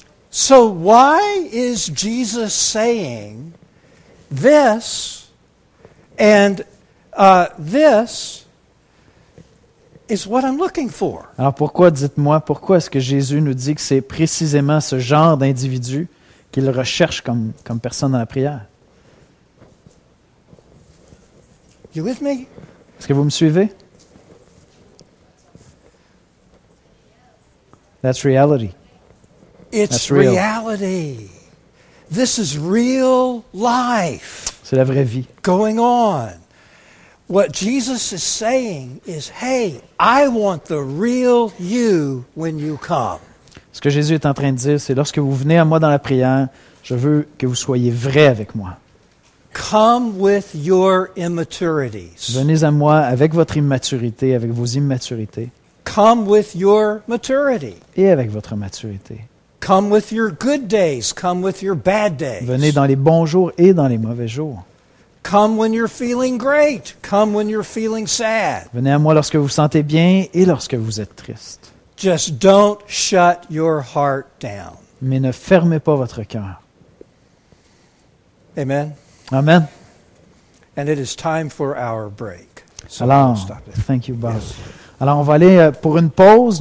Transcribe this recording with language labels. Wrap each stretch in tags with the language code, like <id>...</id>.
<en>So why is Jesus saying this and this is what I'm looking for.</en> <fr>Alors pourquoi, dites-moi, pourquoi est-ce que Jésus nous dit que c'est précisément ce genre d'individu qu'il recherche comme personne dans la prière.</fr> <en>You with me?</en> <fr>Est-ce que vous me suivez?</fr> <en>That's reality. It's reality. This is real life.</en> <fr>C'est la vraie vie.</fr> <en>Going on. What Jesus is saying is, hey, I want the real you when you come.</en> <fr>Ce que Jésus est en train de dire, c'est lorsque vous venez à moi dans la prière, je veux que vous soyez vrai avec moi.</fr> <en>Come with your immaturities.</en> <fr>Venez à moi avec votre immaturité, avec vos immaturités.</fr> <en>Come with your maturity.</en> <fr>Et avec votre maturité.</fr> <en>Come with your good days, come with your bad days.</en> <fr>Venez dans les bons jours et dans les mauvais jours.</fr> <en>Come when you're feeling great, come when you're feeling sad.</en> <fr>Venez à moi lorsque vous sentez bien et lorsque vous êtes triste.</fr> <en>Just don't shut your heart down.</en> <fr>Mais ne fermez pas votre cœur.</fr> <en>Amen. Amen. And it is time for our break. So</en> <fr>alors,</fr> <en>stop it. Thank you, Bob. Yes.</en> <fr>Alors, on va aller pour une pause.</fr>